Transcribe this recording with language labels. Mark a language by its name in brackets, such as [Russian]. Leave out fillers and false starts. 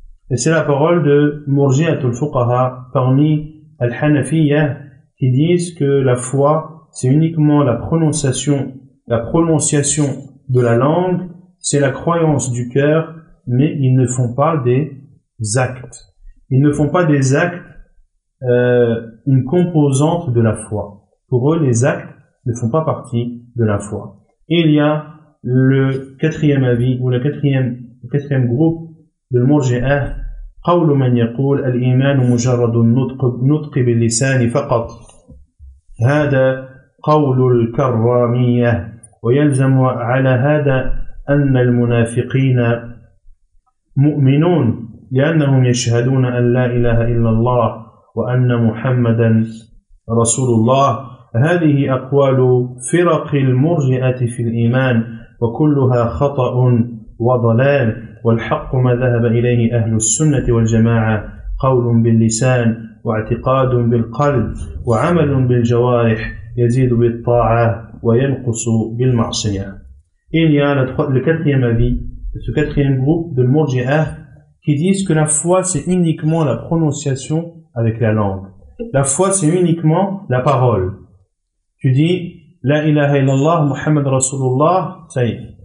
[French] Et c'est la parole de Murji'atul Fuqaha parmi Al-Hanafiyya qui disent que la foi, c'est uniquement la prononciation de la langue, c'est la croyance du cœur, mais ils ne font pas des actes. Ils ne font pas des actes une composante de la foi. Pour eux, les actes ne font pas partie de la foi. Et il y a le quatrième avis ou le quatrième groupe de Murji'a, [Arabic] قول من يقول الإيمان مجرد نطق باللسان فقط، هذا قول الكرامية، ويلزم على هذا أن المنافقين مؤمنون لأنهم يشهدون أن لا إله إلا الله وأن محمدا رسول الله. هذه أقوال فرق المرجئة في الإيمان وكلها خطأ وضلال، والحق ما ذهب إليه أهل السنة والجماعة، قول باللسان واعتقاد بالقلب وعمل بالجوارح يزيد بالطاعة وينقص بالمعصية. [French] Il y a le quatrième avis, ce quatrième groupe de Murji'a qui disent que la foi c'est uniquement la prononciation avec la langue. La foi c'est uniquement la parole. Tu dis La ilaha illallah Muhammad Rasulullah, ça y est.